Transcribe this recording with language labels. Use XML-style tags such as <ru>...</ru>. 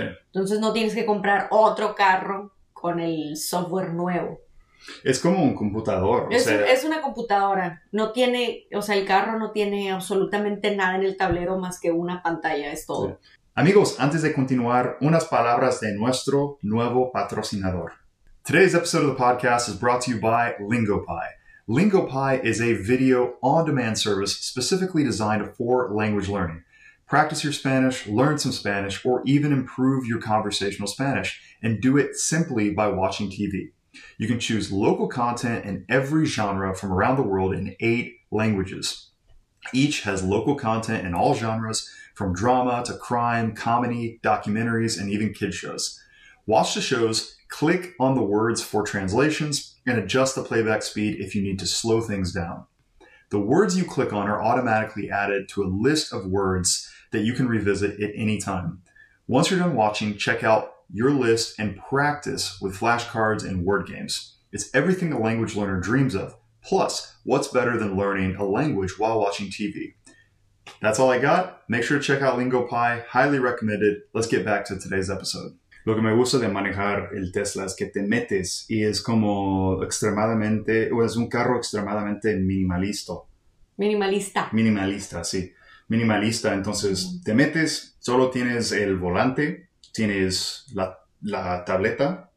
<es>Entonces no tienes que comprar otro carro con el software nuevo. Es como un computador. Es una computadora. No tiene, o sea, el carro no tiene absolutamente nada en el tablero más que una pantalla, es todo. Sí. Amigos, antes de continuar, unas palabras de nuestro nuevo patrocinador.</es> <en>Today's episode of the podcast is brought to you by LingoPie. LingoPie is a video on-demand service specifically designed for language learning. Practice your Spanish, learn some Spanish, or even improve your conversational Spanish, and do it simply by watching TV. You can choose local content in every genre from around the world in 8 languages. Each has local content in all genres, from drama to crime, comedy, documentaries, and even kid shows. Watch the shows, click on the words for translations, and adjust the playback speed if you need to slow things down. The words you click on are automatically added to a list of words that you can revisit at any time. Once you're done watching, check out your list and practice with flashcards and word games. It's everything a language learner dreams of. Plus, what's better than learning a language while watching TV? That's all I got. Make sure to check out LingoPie. Highly recommended. Let's get back to today's episode.</en> <es>Lo que me gusta de manejar el Tesla es que te metes y es como extremadamente, o es un carro extremadamente minimalista. Minimalista. Minimalista, sí. Minimalista, entonces te metes, solo tienes el volante, tienes la tableta.</es>